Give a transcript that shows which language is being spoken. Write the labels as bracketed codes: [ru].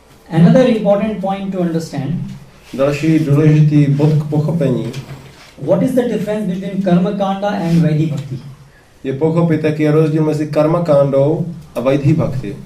[en] Another important point to understand. [cs] Další důležitý bod k pochopení. [en] What is the difference between karma kanda and vaidhi bhakti? [cs] Je pochopit, jaký je rozdíl mezi karma kandou a vaidhi bhakti.